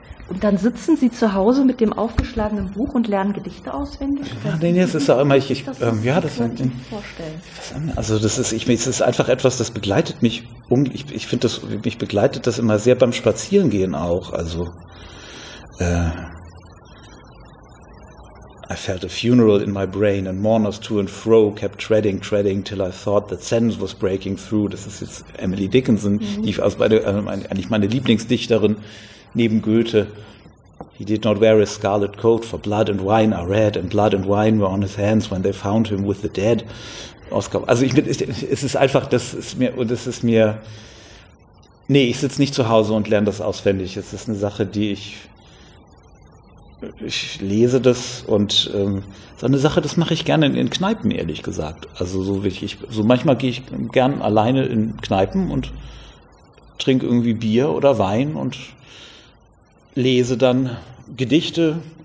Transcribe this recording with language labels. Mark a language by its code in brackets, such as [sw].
[de] Und dann sitzen Sie zu Hause mit dem aufgeschlagenen Buch und lernen Gedichte auswendig? Ja, nee, das ist auch immer, es ist einfach etwas, das begleitet mich, ich finde das, mich begleitet das immer sehr beim Spazierengehen auch, also. [en] I felt a funeral in my brain, and mourners to and fro kept treading, treading, till I thought that sense was breaking through. [de] Das ist jetzt Emily Dickinson, die ich als meine Lieblingsdichterin neben Goethe. [en] He did not wear his scarlet coat, for blood and wine are red, and blood and wine were on his hands when they found him with the dead. [de] Oscar, also es ist einfach, das ist mir, nee, ich sitze nicht zu Hause und lerne das auswendig. Es ist eine Sache, die ich lese das und so eine Sache, das mache ich gerne in Kneipen, ehrlich gesagt. Also so wie so manchmal gehe ich gern alleine in Kneipen und trinke irgendwie Bier oder Wein und lese dann Gedichte.